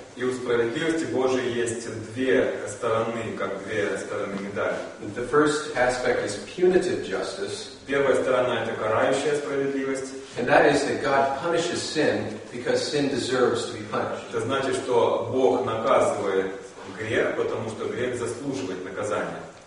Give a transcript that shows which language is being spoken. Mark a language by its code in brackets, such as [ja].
[ru] И у справедливости Божией есть две стороны, как две стороны медали. [en] The first aspect is punitive justice. [ru] Первая сторона — это карающая справедливость. [en] And that is that God punishes sin because sin deserves to be punished. [ru] Это значит, что Бог наказывает грех, потому что грех заслуживает наказания.